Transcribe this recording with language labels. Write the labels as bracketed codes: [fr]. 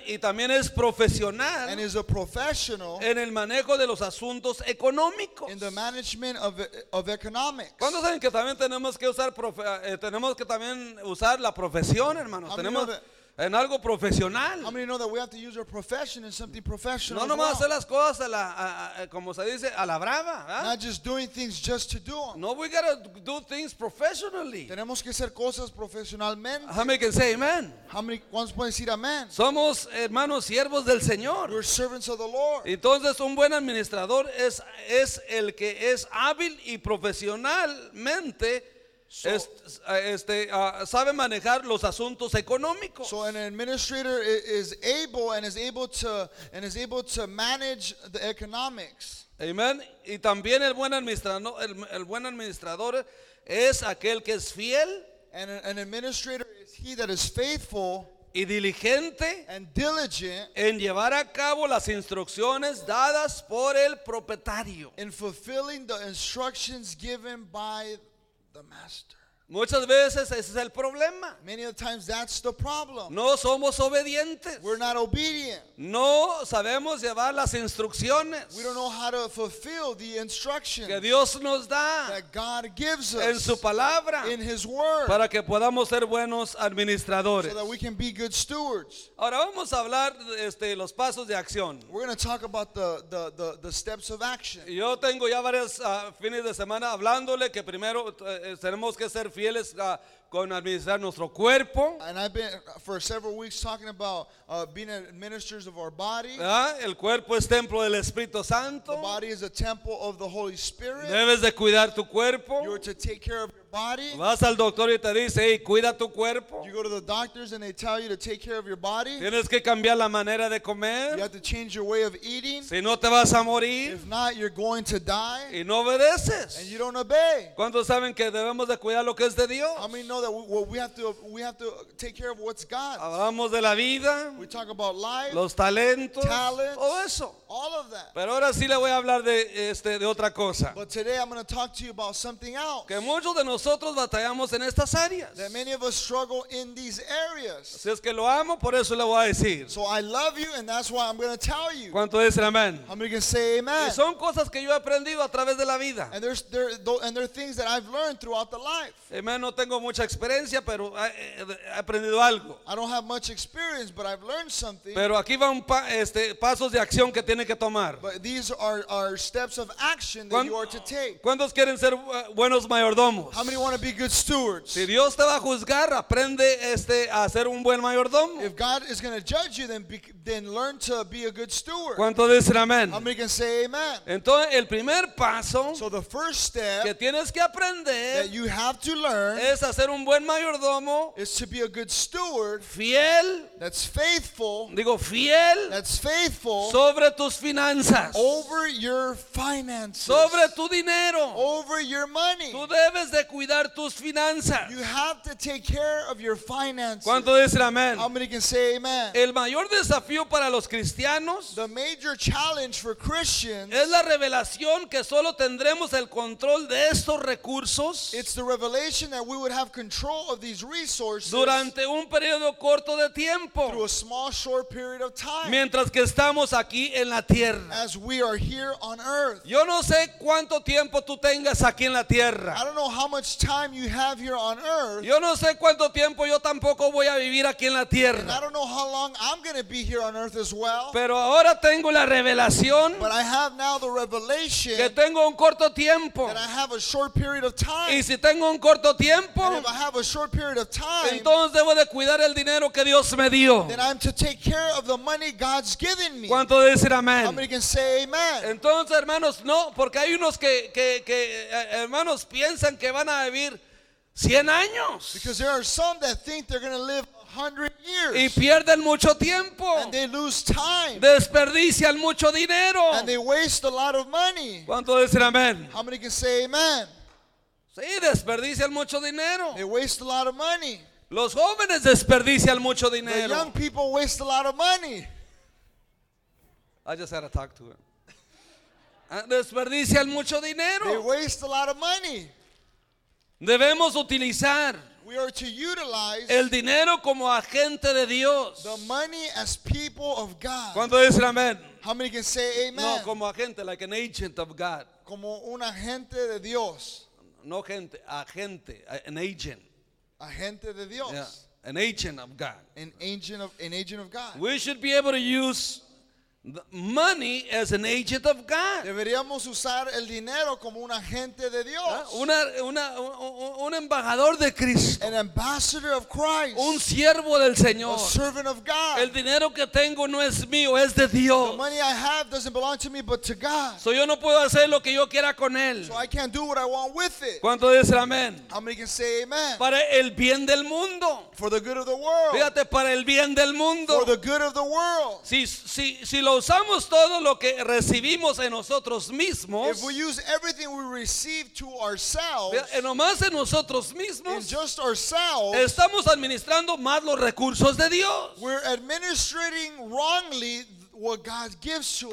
[es] Y también es profesional. [en] And is a professional. [es] En el manejo de los asuntos económicos. [en] In the management of economics. [es] ¿Cuántos saben que también tenemos que usar tenemos que también usar la profesión, hermanos? Tenemos en algo profesional. [en] How many know that we have to use our profession in something professional? [es] No nomás hacer las cosas como se dice, a la brava, ¿eh? [en] Not just doing things just to do them. No, we gotta do things professionally. [es] Tenemos que hacer cosas profesionalmente. [en] How many can say amen? How many ones [es] pueden decir amen? Somos hermanos siervos del Señor. [en] We're servants of the Lord. [es] Entonces, un buen administrador es el que es hábil y profesionalmente. Sabe manejar los asuntos económicos. [en] So an administrator is able and is able to manage the economics. Amen. [es] Y también el buen administrador es aquel que es fiel. [en] And an administrator is he that is faithful. [es] Y diligente [en] and diligent [es] en llevar a cabo las instrucciones dadas por el propietario. [en] In fulfilling the instructions given by the master. [es] Muchas veces ese es el problema. [en] Many of the times that's the problem. [es] No somos obedientes. [en] We're not obedient. [es] No sabemos llevar las instrucciones. [en] We don't know how to fulfill the instructions [es] que Dios nos da [en] that God gives us [es] en su palabra [en] in His word [es] para que podamos ser buenos administradores. [en] So that we can be good stewards. [es] Ahora vamos a hablar los pasos de acción. [en] We're going to talk about the steps of action. [es] Yo tengo ya varios fines de semana hablándole que primero tenemos que ser fieles con administrar nuestro cuerpo. [en] And I've been for several weeks talking about being ministers of our body. [es] El cuerpo es templo del Espíritu Santo. [en] The body is a temple of the Holy Spirit. [es] Debes de cuidar tu cuerpo. [en] You are to take care of your body. [es] Vas al doctor y te dice, hey, cuida tu cuerpo. [en] You go to the doctors and they tell you to take care of your body. [es] Tienes que cambiar la manera de comer. [en] You have to change your way of eating. [es] Si no, te vas a morir. [en] If not, you're going to die. [es] Y no obedeces. [en] And you don't obey. [es] ¿Cuántos saben que debemos de cuidar lo que es de Dios? [en] How many know that we have to take care of what's God's? [es] Hablamos de la vida. [en] We talk about life. [es] Los talentos. [en] Talents. [es] Todo eso. [en] All of that. [es] Pero ahora sí le voy a hablar de otra cosa. [en] But today I'm going to talk to you about something else. [es] Que muchos de nosotros batallamos en estas áreas. [en] That many of us struggle in these areas. [es] Si es que lo amo, por eso le voy a decir. [en] So I love you and that's why I'm going to tell you. [es] ¿Cuánto dicen amén? [en] How many can say amen? [es] Y son cosas que yo he aprendido a través de la vida. [en] And there are things that I've learned throughout the life. [es] Amén, no tengo mucha experiencia, pero he aprendido algo. [en] I don't have much experience, but I've learned something. [es] Pero aquí va un pasos de acción que tiene que tomar. [en] But these are steps of action that you are to take. [es] ¿Cuántos quieren ser buenos mayordomos? [en] How many want to be good stewards? [es] Si Dios te va a juzgar, aprende a ser un buen mayordomo. [en] If God is going to judge you, then learn to be a good steward. [es] ¿Cuántos dicen amén? [en] How many can say amen? [es] Entonces, el primer paso, [en] so the first step [es] que tienes que aprender, [en] that you have to learn, [es] es hacer un buen mayordomo, [en] is to be a good steward, [es] fiel, [en] that's faithful, [es] digo fiel, [en] that's faithful, [es] sobre tus finanzas, [en] over your finances, [es] sobre tu dinero, [en] over your money. [es] Tú debes de cuidar tus finanzas. [en] You have to take care of your finances. [es] ¿Cuánto dicen amén? [en] How many can say amen? [es] El mayor desafío para los cristianos, [en] the major challenge for Christians, [es] es la revelación que solo tendremos el control de estos recursos. [en] It's the revelation that we would have control of these resources [es] durante un periodo corto de tiempo, [en] through a small short period of time, [es] mientras que estamos aquí en la tierra, [en] as we are here on earth. [es] Yo no sé cuánto tiempo tú tengas aquí en la tierra. [en] I don't know how much time you have here on earth. [es] Yo no sé cuánto tiempo yo tampoco voy a vivir aquí en la tierra. [en] And I don't know how long I'm going to be here on earth as well. [es] Pero ahora tengo la revelación, [en] but I have now the revelation, [es] que tengo un corto tiempo, [en] that I have a short period of time. [es] Y si tengo un corto tiempo, [en] and if I have a short period of time, [es] entonces debo de cuidar el dinero que Dios me dio. [en] Then I'm to take care of the money God's given me. [es] ¿Cuánto dicen amén? [en] How many can say amen? [es] Entonces, hermanos, no, porque hay unos que hermanos piensan que van a vivir 100 años. [en] Because there are some that think they're going to live 100 years. [es] Y pierden mucho tiempo. [en] And they lose time. [es] Desperdician mucho dinero. [en] And they waste a lot of money. [es] ¿Cuánto dicen amén? [en] How many can say amen? [es] Sí, desperdician mucho dinero. [en] They waste a lot of money. [es] Los jóvenes desperdician mucho dinero. [en] The young people waste a lot of money. I just had to talk to him. [es] Desperdician mucho dinero. [en] They waste a lot of money. [es] Debemos utilizar, [en] we are to utilize, [es] el dinero como agente de Dios. [en] The money as people of God. [es] ¿Cuánto dicen amén? [en] How many can say amen? [es] No, como agente, [en] like an agent of God. [es] Como un agente de Dios. No gente, agente, [en] an agent. [es] Agente de Dios. [en] Yeah, an agent of God. An agent of God. We should be able to use the money as an agent of God. [es] Deberíamos usar el dinero como un agente de Dios. Un embajador de Cristo. [en] An ambassador of Christ. [es] Un siervo del Señor. [en] A servant of God. [es] El dinero que tengo no es mío, es de Dios. [en] The money I have doesn't belong to me, but to God. [es] So yo no puedo hacer lo que yo quiera con él. [en] So I can't do what I want with it. [es] ¿Cuánto dice amén? [en] How many can say amen? [es] Para el bien del mundo. [en] For the good of the world. [es] Fíjate, para el bien del mundo. [en] For the good of the world. [es] Si lo usamos todo lo que recibimos en nosotros mismos. [en] If we use everything we receive to ourselves. [es] En nomás en nosotros mismos. [en] In just ourselves. [es] Estamos administrando más los recursos de Dios. [en] We're administrating wrongly what God gives to us.